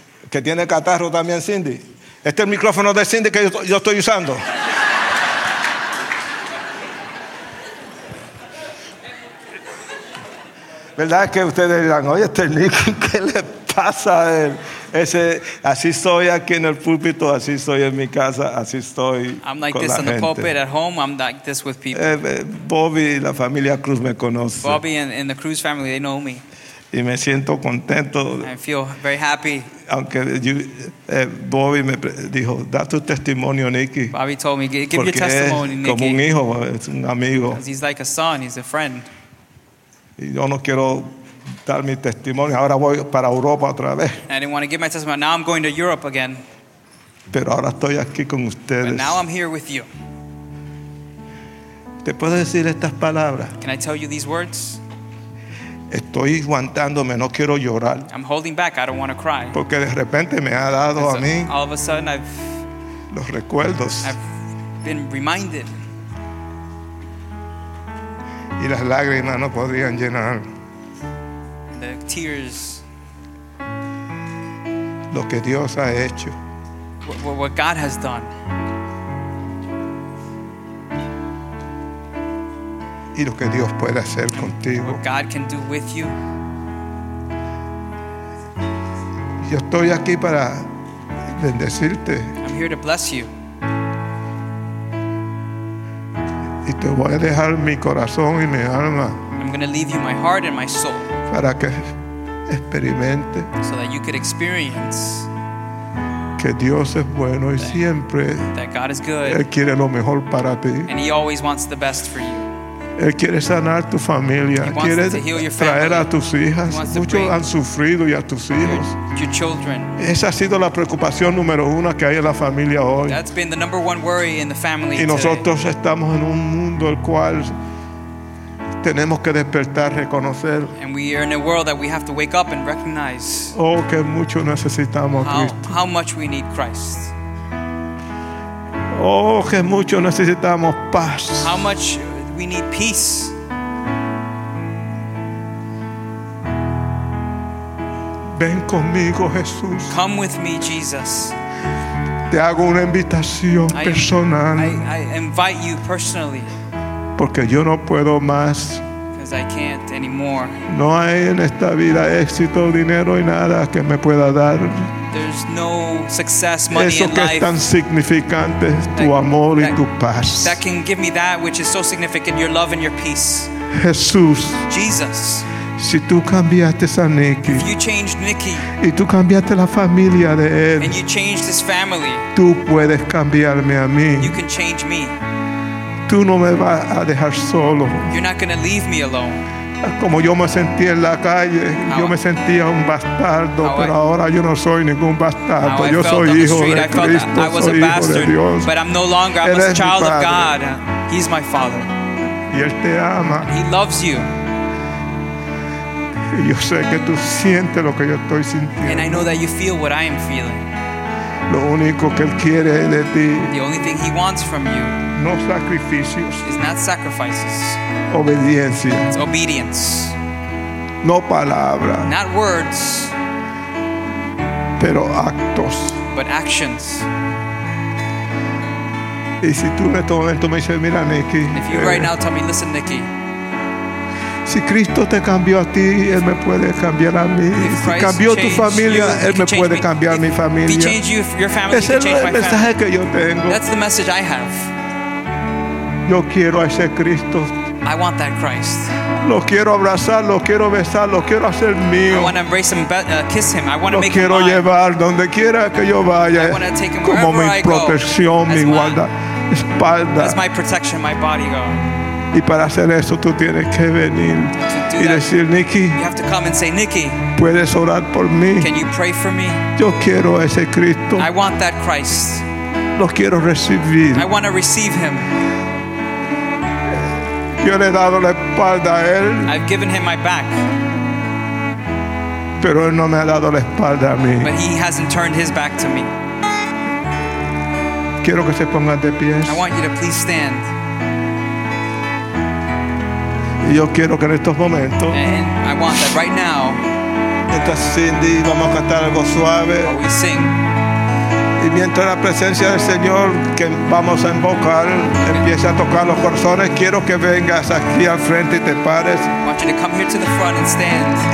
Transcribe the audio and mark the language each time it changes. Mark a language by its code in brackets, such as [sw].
[es] Que tiene catarro también, Cindy. Este es el micrófono de Cindy que yo estoy usando. ¿Verdad? Es que ustedes dirán, oye, este Nick, ¿qué le pasa a él? Ese, así estoy aquí en el púlpito, así estoy en mi casa, así estoy [en] I'm like con this on the pulpit at home, I'm like this with people. [es] Bobby y la familia Cruz me conocen. [en] Bobby and the Cruz family, they know me. [es] Y me siento contento. [en] I feel very happy. [es] Aunque Bobby me dijo, da tu testimonio, Nicky. [en] Bobby told me, give your testimony, Nicky. [es] Como un hijo, es un amigo. [en] Because he's like a son, he's a friend. [es] Y yo no quiero dar mi testimonio. Ahora voy para Europa otra vez. [en] I didn't want to give my testimony. Now I'm going to Europe again. [es] Pero ahora estoy aquí con ustedes. [en] But now I'm here with you. [es] ¿Te puedo decir estas palabras? [en] Can I tell you these words? [es] Estoy aguantándome, no quiero llorar. [en] I'm holding back. I don't want to cry. [es] Porque de repente me ha dado a mí. [en] All of a sudden I've [es] los recuerdos. [en] I've been reminded. [es] Y las lágrimas no podrían llenar. [en] The tears. [es] Lo que Dios ha hecho. [en] What God has done. [es] Y lo que Dios puede hacer contigo. [en] What God can do with you. [es] Yo estoy aquí para bendecirte. [en] I'm here to bless you. [es] Y te voy a dejar mi corazón y mi alma. [en] I'm going to leave you my heart and my soul. [es] Para que experimente. [en] So that you could experience. [es] Que Dios es bueno y siempre. [en] That God is good. [es] Él quiere lo mejor para ti. [en] And he always wants the best for you. [es] Él quiere sanar tu familia. [en] He wants [es] quiere [en] to heal your family. [es] Traer a tus hijas. Muchos han sufrido y a tus hijos. [en] Your children. [es] Esa ha sido la preocupación número uno que hay en la familia hoy. [en] That's been the number one worry in the family. [es] Y nosotros [en] today. [es] Estamos en un mundo el cual tenemos que despertar, reconocer. [en] And we are in a world that we have to wake up and recognize. [es] Oh, que mucho necesitamos a Cristo. [en] How much we need Christ. [es] Oh, que mucho necesitamos paz. [en] How much we need peace. [es] Ven conmigo, Jesús. [en] Come with me, Jesus. [es] Te hago una invitación personal. [en] I invite you personally. [es] Porque yo no puedo más. [en] Because I can't anymore. [es] No hay en esta vida éxito, dinero y nada que me pueda dar. [en] There's no success, money, [es] eso que [en] in life [es] es tan significante, tu that, amor that, y tu paz. [en] That can give me that which is so significant, your love and your peace. [es] Jesús, [en] Jesus, [es] si tú cambiaste a Nicky, [en] if you changed Nicky, [es] y tú cambiaste la familia de él, [en] and you changed his family, [es] tú puedes cambiarme a mí. [en] You can change me. [es] Tú no me vas a dejar solo. [en] You're not going to leave me alone. [es] Como yo me sentí en la calle, yo me sentía un bastardo, pero ahora yo no soy ningún bastardo. Yo soy hijo de Cristo, soy hijo de Dios. [en] But I'm no longer, I'm a child of God. He's my father. [es] Y Él te ama. [en] He loves you. [es] Y yo sé que tú sientes lo que yo estoy sintiendo. [en] And I know that you feel what I am feeling. [es] Lo único que Él quiere de ti. [en] The only thing He wants from you. [es] No sacrificios. [en] It's not sacrifices. [es] Obediencia. [en] It's obedience. [es] No palabra. [en] Not words. [es] Pero actos. [en] But actions. [es] Y si tú en este momento me dices, mira, Nicky. [en] If you right now tell me, listen, Nicky. [es] Si Cristo te cambió a ti, Él me puede cambiar a mí. Si cambió tu familia, Él me puede cambiar mi familia. Ese es el mensaje que yo tengo. [en] That's the message I have. [es] Yo quiero a ese Cristo. [en] I want that Christ. [es] Lo quiero abrazar, lo quiero besar, lo quiero hacer mío. [en] I want to embrace him, kiss him. I want to [es] lo [en] make [es] quiero [en] him mine. [es] Llevar donde quiera que yo vaya. [en] I want to take him [es] como [en] wherever [es] mi protección, [en] I go, [es] mi guarda espalda. [en] That's my protection, my bodyguard. [es] Y para hacer eso tú tienes que venir y decir, Nicky, [en] you have to come and say, Nicky, [es] ¿puedes orar por mí? [en] Can you pray for me? [es] Yo quiero ese Cristo. [en] I want that Christ. [es] Lo quiero recibir. [en] I want to receive him. [es] Yo le he dado la espalda a él. [en] I've given him my back. [es] Pero él no me ha dado la espalda a mí. [en] But he hasn't turned his back to me. [es] Quiero que se pongan de pie. [en] I want you to please stand. [es] Y yo quiero que en estos momentos. [en] And I want that right now. [es] Mientras Cindy, vamos a cantar algo suave. [en] While we sing. [es] Y mientras la presencia del Señor que vamos a invocar empiece a tocar los corazones, quiero que vengas aquí al frente y te pares. [en] I want you to come here to the front and stand.